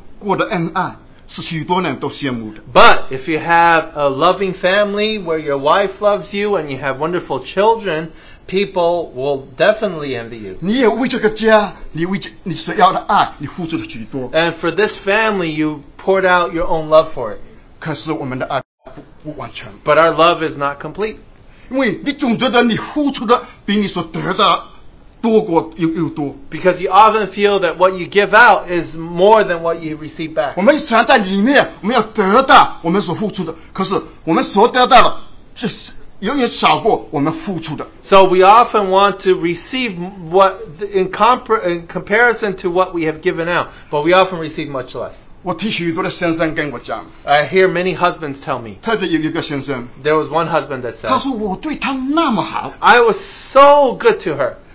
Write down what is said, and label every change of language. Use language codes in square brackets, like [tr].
[en] But if you have a loving family where your wife loves you and you have wonderful children, people will definitely envy you. [zh] 你也为这个家,你为你所要的爱, [en] and for this family, you poured out your own love for it. [zh] 可是我们的爱不完全, [en] but our love is not complete. [zh] 因为你总觉得你付出的比你所得的多过,又多, [en] because you often feel that what you give out is more than what you receive back. [zh] 我们常在里面,我们要得到我们所付出的,可是我们所得到的,就是, [en] So we often want to receive what in comparison to what we have given out, but we often receive much less. I hear many husbands tell me. There was one husband that said, I was so good to her.